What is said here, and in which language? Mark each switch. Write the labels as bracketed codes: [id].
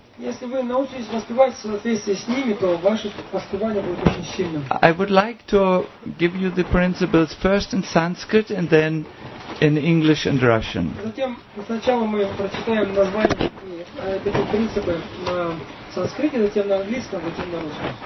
[ru] Если вы научитесь воспевать в соответствии с ними, то ваше воспевание будет очень сильным. [en] I would like to give you the principles first in Sanskrit and then in English and Russian. [ru] Затем сначала мы прочитаем названия этих принципов на санскрите, затем на английском, затем на русском.